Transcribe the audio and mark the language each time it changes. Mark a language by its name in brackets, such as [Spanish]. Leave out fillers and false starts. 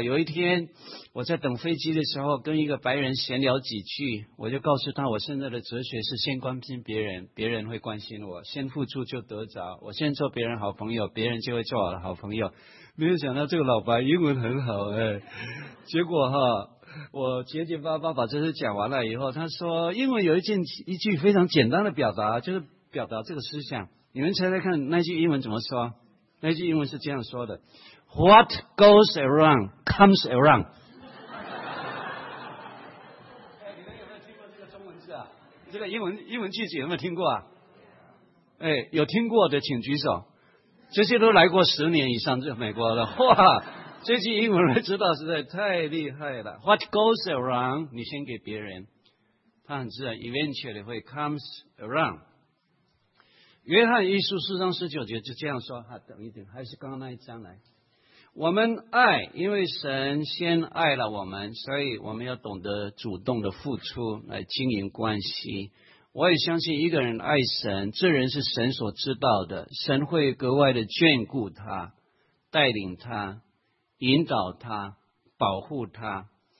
[Chinese] 有一天我在等飞机的时候跟一个白人闲聊几句，我就告诉他我现在的哲学是先关心别人，别人会关心我，先付出就得着，我先做别人好朋友，别人就会做我的好朋友。没有想到这个老白英文很好。哎，结果哈，我结结巴巴把这事讲完了以后，他说英文有一句非常简单的表达，就是表达这个思想。你们猜猜看那句英文怎么说？那句英文是这样说的， [English] What goes around comes around。 [Chinese] 哎，你们有没有听过这个中文字啊？这个英文句子有没有听过啊？哎，有听过的请举手。这些都来过十年以上在美国的，哇，这句英文我知道实在太厉害了。 [English] What goes around [Chinese] 你先给别人，他很自然 eventually 会 [English] comes around。 [Chinese] 约翰一书四章十九节就这样说，哈，等一等，还是刚刚那一章来。我们爱，因为神先爱了我们，所以我们要懂得主动的付出来经营关系。我也相信一个人爱神，这人是神所知道的，神会格外的眷顾他，带领他，引导他，保护他。